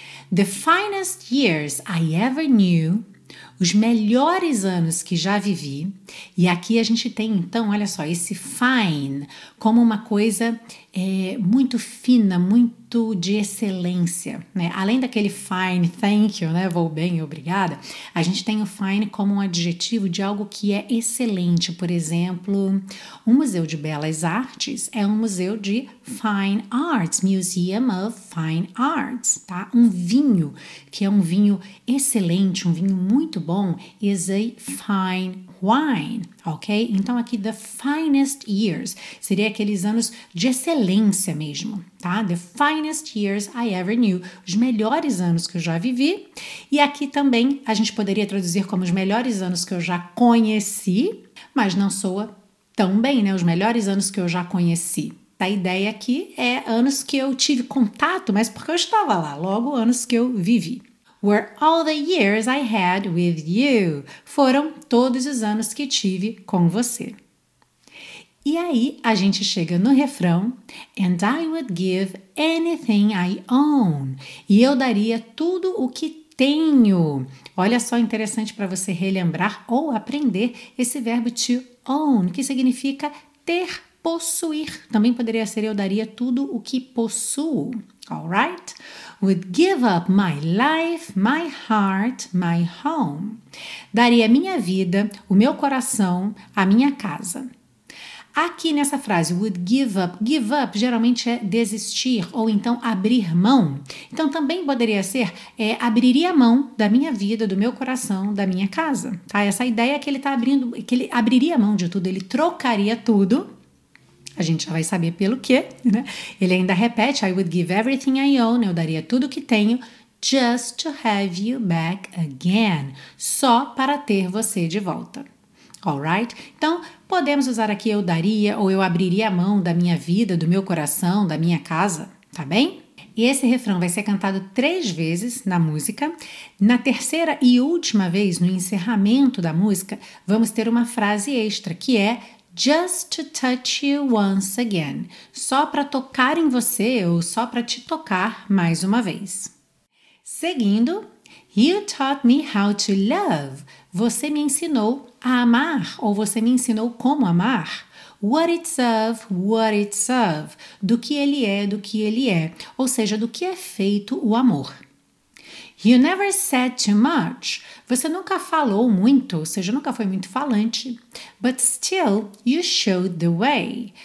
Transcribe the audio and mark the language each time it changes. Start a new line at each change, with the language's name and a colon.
English: The finest years I ever knew.
Portuguese: Os melhores anos que já vivi. E aqui a gente tem, então, olha só, esse fine como uma coisa muito fina, muito de excelência, né? Além daquele fine,
English: thank you,
Portuguese: né? Vou bem, obrigada. A gente tem o fine como um adjetivo de algo que é excelente. Por exemplo, um museu de belas artes é um museu de fine arts,
English: Museum of Fine Arts,
Portuguese: tá? Um vinho, que é um vinho excelente, um vinho muito bom,
English: is a fine wine,
Portuguese: ok? Então aqui,
English: the finest years,
Portuguese: seria aqueles anos de excelência mesmo, tá?
English: The finest years I ever knew,
Portuguese: os melhores anos que eu já vivi. E aqui também a gente poderia traduzir como os melhores anos que eu já conheci, mas não soa tão bem, né? Os melhores anos que eu já conheci. A ideia aqui é anos que eu tive contato, mas porque eu estava lá, logo anos que eu vivi.
English: Were all the years I had with you.
Portuguese: Foram todos os anos que tive com você. E aí a gente chega no refrão.
English: And I would give anything I own.
Portuguese: E eu daria tudo o que tenho. Olha só, interessante para você relembrar ou aprender esse verbo to own, que significa ter, possuir. Também poderia ser eu daria tudo o que possuo.
English: All right? Would give up my life, my heart, my home.
Portuguese: Daria minha vida, o meu coração, a minha casa. Aqui nessa frase,
English: would give up
Portuguese: geralmente é desistir ou então abrir mão. Então também poderia ser, abriria mão da minha vida, do meu coração, da minha casa. Tá? Essa ideia é que ele tá abrindo, que ele abriria mão de tudo, ele trocaria tudo. A gente já vai saber pelo quê, né? Ele ainda repete,
English: I would give everything I own,
Portuguese: eu daria tudo que tenho,
English: just to have you back again,
Portuguese: só para ter você de volta. Alright? Então, podemos usar aqui eu daria ou eu abriria a mão da minha vida, do meu coração, da minha casa, tá bem? E esse refrão vai ser cantado 3 vezes na música. Na terceira e última vez, no encerramento da música, vamos ter uma frase extra, que é
English: just to touch you once again.
Portuguese: Só para tocar em você ou só para te tocar mais uma vez.
English: Seguindo, you taught me how to love.
Portuguese: Você me ensinou a amar ou você me ensinou como amar.
English: What it's of, what it's of.
Portuguese: Do que ele é, do que ele é. Ou seja, do que é feito o amor.
English: You never said too much.
Portuguese: Você nunca falou muito, ou seja, nunca foi muito falante.
English: But still, you showed the way.